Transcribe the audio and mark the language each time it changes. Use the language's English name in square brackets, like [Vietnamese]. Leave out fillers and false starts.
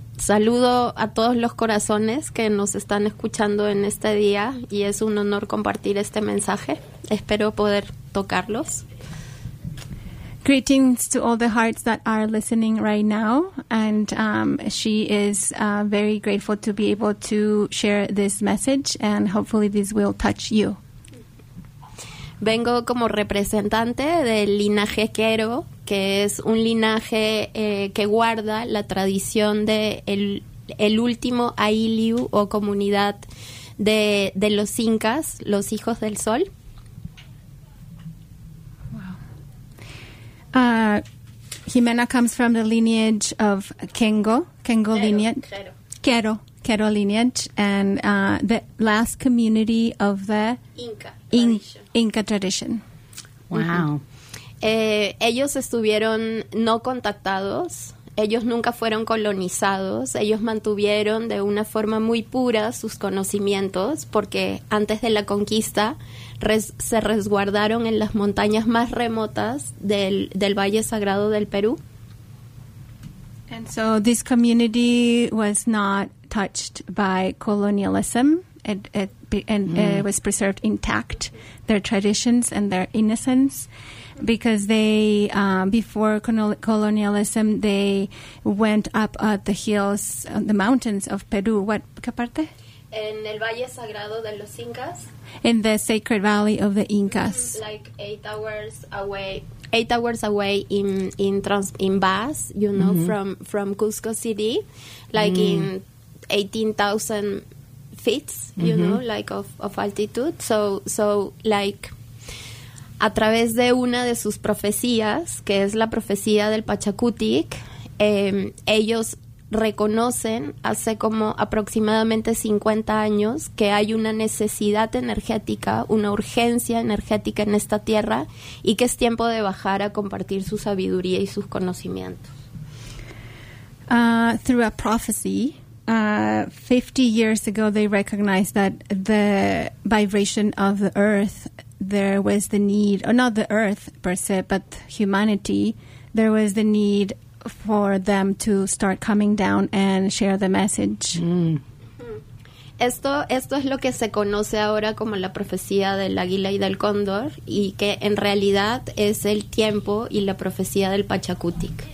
[Spanish] Saludo a todos los corazones que nos están escuchando en este día y es un honor compartir este mensaje. Espero poder tocarlos. [English] Greetings to all the hearts that are listening right now. And she is very grateful to be able to share this message and hopefully this will touch you. [Spanish] Vengo como representante del linaje Quero, que es un linaje que guarda la tradición de el último Ailiu o comunidad de los Incas, los Hijos del Sol. [English] Wow. Jimena comes from the lineage of Kengo Quero, lineage. Quero lineage, and the last community of the Inca tradition. Wow. [Spanish] Ellos estuvieron no contactados, ellos nunca fueron colonizados, ellos mantuvieron de una forma muy pura sus conocimientos porque antes de la conquista se resguardaron en las montañas más remotas del Valle Sagrado del Perú. [English] And so this community was not touched by colonialism. It was preserved intact, their traditions and their innocence, because they, before colonialism, they went up the hills, the mountains of Peru. What, [Spanish] ¿qué parte? en el Valle Sagrado de los Incas. [English] In the Sacred Valley of the Incas. Like 8 hours away. 8 hours away in bus, you know, mm-hmm. from Cusco City, like in 18,000 feet, you mm-hmm. know, like of altitude. So like, [Spanish] a través de una de sus profecías, que es la profecía del Pachacutic, ellos reconocen hace como aproximadamente 50 años que hay una necesidad energética, una urgencia energética en esta tierra, y que es tiempo de bajar a compartir su sabiduría y sus conocimientos. [English] Through a prophecy, 50 years ago they recognized that the vibration of the earth, there was the need, or not the earth per se, but humanity, there was the need for them to start coming down and share the message. Mm. [Spanish] Esto es lo que se conoce ahora como la profecía del águila y del cóndor, y que en realidad es el tiempo y la profecía del Pachacutic.